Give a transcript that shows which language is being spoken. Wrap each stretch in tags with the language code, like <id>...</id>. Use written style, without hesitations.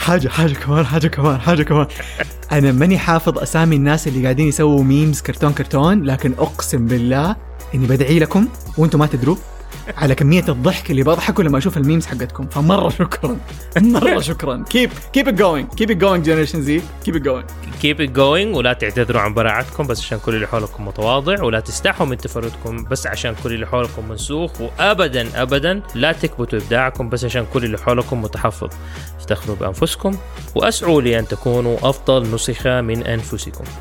<ar>حاجة كمان أنا ماني حافظ أسامي الناس اللي قاعدين يسووا ميمز كرتون كرتون، لكن أقسم بالله إني بدعي لكم وأنتم ما تدروا على كمية الضحك اللي بضحكه لما أشوف الميمز حقتكم، فمرة شكرا مرة شكرا.</ar> <en>keep it going generation Z, keep it going</en> <ar>ولا تعتذروا عن براعتكم بس عشان كل اللي حولكم متواضع، ولا تستحوا من تفردكم بس عشان كل اللي حولكم منسوخ، وأبدا أبدا لا تكبتوا إبداعكم بس عشان كل اللي حولكم متحفظ. افتخروا بأنفسكم وأسعوا لأن تكونوا أفضل نسخة من أنفسكم.</ar>